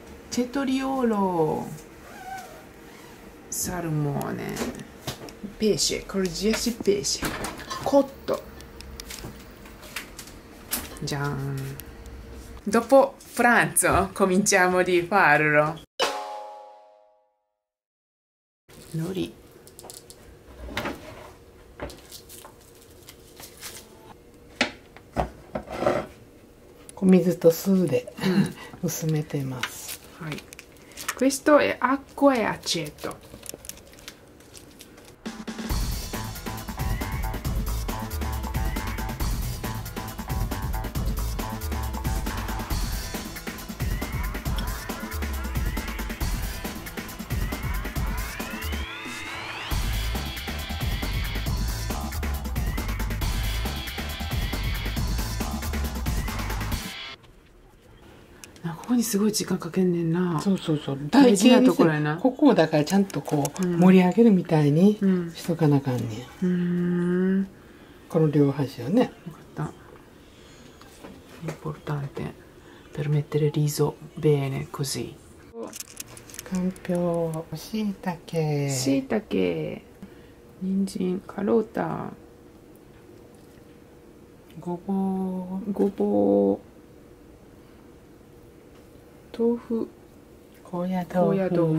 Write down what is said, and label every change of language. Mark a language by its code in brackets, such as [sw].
[it] セトリオーロ、サルモーネ、ペーシェ、コルジエシペーシェ、コット、じゃん。 Dopo pranzo, cominciamo di farlo. [ja] のり。小水と酢で薄めてます。 [it] はい、questo è acqua e aceto。 [ja] ここにすごい時間かけんねんな。そうそうそう、大事なところやな。ここをだからちゃんとこう盛り上げるみたいにしとかなかんねん。うん、この両端をね。分かった。 [it] importante per mettere riso bene così。 [ja] かんぴょう、しいたけ、しいたけ、人参、カロータ、ごぼう、ごぼう、豆腐、高野豆腐、豆腐、